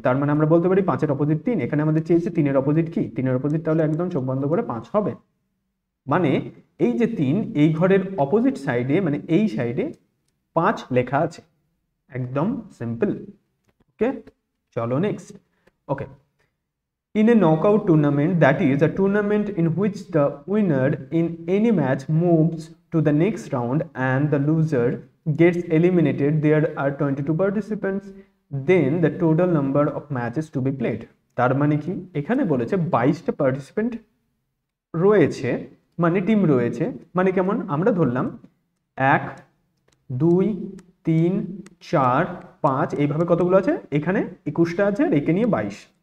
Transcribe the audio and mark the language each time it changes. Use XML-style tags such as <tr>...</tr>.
<bn>তার মানে আমরা বলতে পারি 5 এর অপোজিট 3। এখানে আমাদের চেয়েছে 3 এর অপোজিট কি, 3 এর অপোজিট, তাহলে একদম চোখ বন্ধ করে 5 হবে। মানে এই যে 3, এই ঘরের অপোজিট সাইডে মানে এই সাইডে 5 লেখা আছে, একদম সিম্পল। ওকে চলো next. Okay,</bn> <en>In a knockout tournament, that is a tournament in which the winner in any match moves to the next round and the loser gets eliminated, there are 22 participants. Then the total number of matches to be played.</en> <bn>তার মানে কি এখানে বলেছে 22টা participant রয়েছে, মানে team রয়েছে, মানে কেমন, আমরা ধরলাম এক দুই তিন চার পাঁচ, এইভাবে কতগুলো আছে, এখানে 21টা আছে আর একে নিয়ে 22।</bn>